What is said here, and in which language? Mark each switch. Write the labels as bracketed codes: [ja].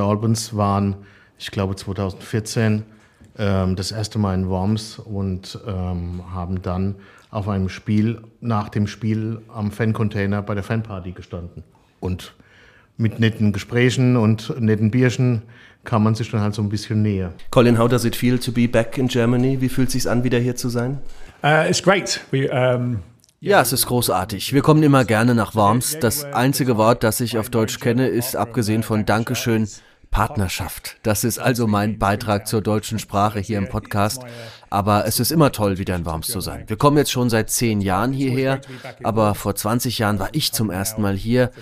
[de] Albans waren, ich glaube, 2014 das erste Mal in Worms und haben dann auf einem Spiel, nach dem Spiel am Fancontainer bei der Fanparty gestanden. Und mit netten Gesprächen und netten Bierchen kam man sich dann halt so ein bisschen näher. [en] Colin, how does it feel to be back in Germany? [de] Wie fühlt es sich an, wieder hier zu sein? [en] It's great. [de] Ja, es ist großartig. Wir kommen immer gerne nach Worms. Das einzige Wort, das ich auf Deutsch kenne, ist, abgesehen von Dankeschön, Partnerschaft. Das ist also mein Beitrag zur deutschen Sprache hier im Podcast. Aber es ist immer toll, wieder in Worms zu sein. Wir kommen jetzt schon seit 10 Jahren hierher, aber vor 20 Jahren war ich zum ersten Mal hier.